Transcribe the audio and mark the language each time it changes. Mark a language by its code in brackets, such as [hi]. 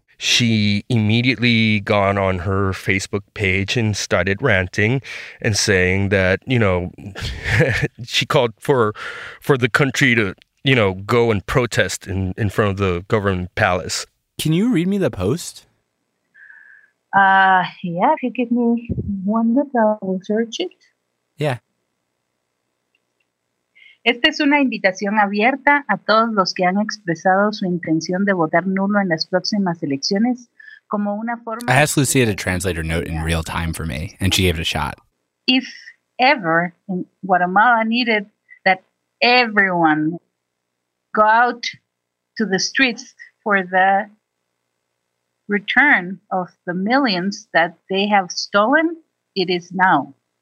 [en] She immediately got on her Facebook page and started ranting and saying that, you know, she called for the country to, you know, go and protest in front of the government palace. Can you read me the post? Yeah, if you give me one minute, I'll search it. Yeah. [es] Esta es una invitación abierta a todos los que han expresado su intención de votar nulo en las próximas elecciones como una forma. [en] I asked Lucia to translate her note in real time for me, and she gave it a shot. If ever in Guatemala needed that everyone go out to the streets for the return of the millions that they have stolen, it is now.